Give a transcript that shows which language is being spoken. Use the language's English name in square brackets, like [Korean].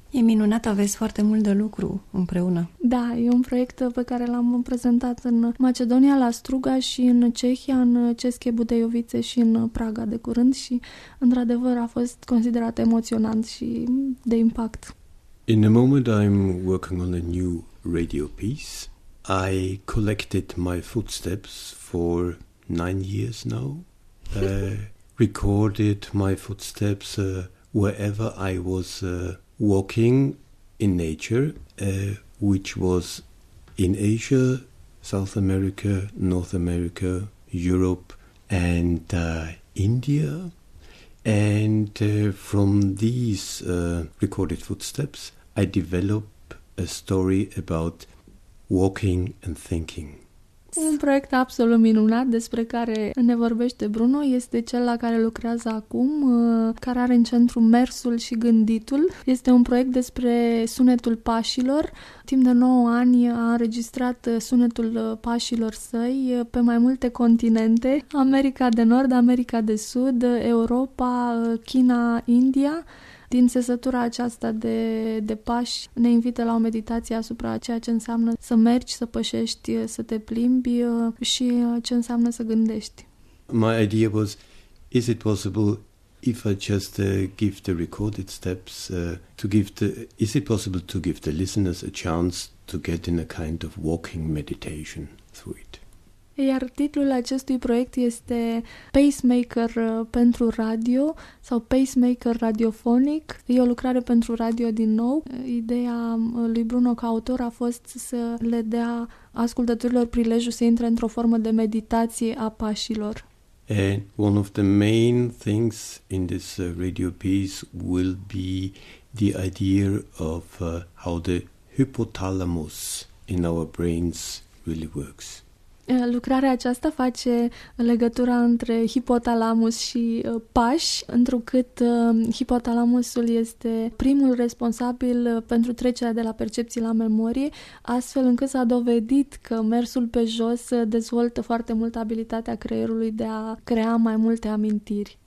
[Romanian] E minunat, aveți foarte mult de lucru împreună. Da, e un proiect pe care l-am prezentat în Macedonia, la Struga și în Cehia, în Ceske Budejovice și în Praga de curând și, într-adevăr, a fost considerat emoționant și de impact. [English] In the moment I'm working on a new radio piece, I collected my footsteps for 9 years now. Recorded my footsteps wherever I was walking in nature, which was in Asia, South America, North America, Europe, and India. And from these recorded footsteps, I develop a story about walking and thinking. [Romanian] Un proiect absolut minunat despre care ne vorbește Bruno este cel la care lucrează acum, care are în centru mersul și gânditul. Este un proiect despre sunetul pașilor. Timp de 9 ani a înregistrat sunetul pașilor săi pe mai multe continente: America de Nord, America de Sud, Europa, China, India. Din sesătura aceasta de pași ne invită la o meditație asupra ceea ce înseamnă să mergi, să pășești, să te plimbi și ce înseamnă să gândești. [English] My idea was, is it possible if I just give the recorded steps to give the listeners a chance to get in a kind of walking meditation through it? [Romanian] Iar titlul acestui proiect este Pacemaker pentru radio sau Pacemaker radiofonic. E o lucrare pentru radio din nou. Ideea lui Bruno ca autor a fost să le dea ascultătorilor prilejul să intre într-o formă de meditație a pașilor. [English] And one of the main things in this radio piece will be the idea of how the hypothalamus in our brains really works. [Romanian] Lucrarea aceasta face legătura între hipotalamus și pași, întrucât hipotalamusul este primul responsabil pentru trecerea de la percepții la memorie, astfel încât s-a dovedit că mersul pe jos dezvoltă foarte mult abilitatea creierului de a crea mai multe amintiri.